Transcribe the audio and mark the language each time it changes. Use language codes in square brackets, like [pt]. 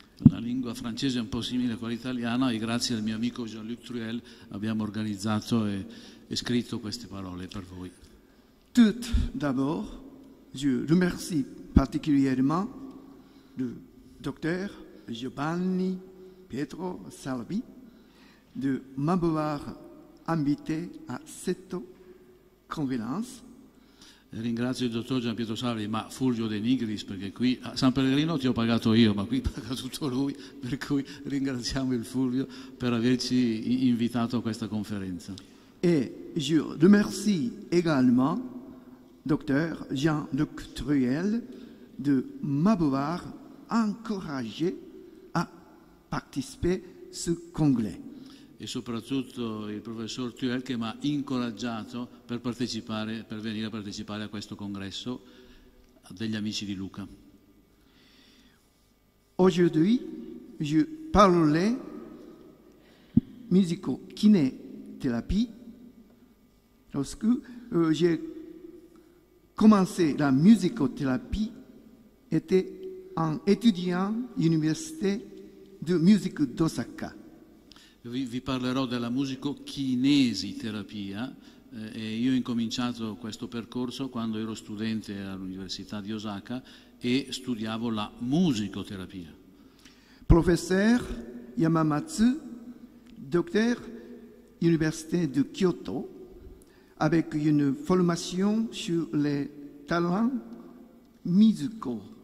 [it] La lingua francese è un po' simile a quella italiana e grazie al mio amico Jean-Luc Truel abbiamo organizzato e scritto queste parole per voi. [fr] Tout d'abord, je remercie particulièrement le docteur Giovanni Pietro Salvi de m'avoir invité à cette conférence. [it] Ringrazio il dottor Gian Pietro Salvi, ma Fulvio De Nigris, perché qui a San Pellegrino ti ho pagato io, ma qui paga tutto lui, per cui ringraziamo il Fulvio per averci invitato a questa conferenza. [fr] E je remercie également docteur Jean-Luc Truel de m'avoir encouragé à participer à ce congrès. [it] E soprattutto il professor Truel che mi ha incoraggiato per partecipare, per venire a partecipare a questo congresso degli amici di Lucca. [fr] Aujourd'hui, je parlerai musico-kiné-thérapie. Lorsque j'ai commencé la musicothérapie, j'étais un étudiant à l'université de musique d'Osaka. [it] Vi parlerò della musico-kinesi-terapia e io ho incominciato questo percorso quando ero studente all'Università di Osaka e studiavo la musicoterapia. [fr] Professor Yamamatsu, docteur Université de Kyoto, avec une formation sur les talents musicaux.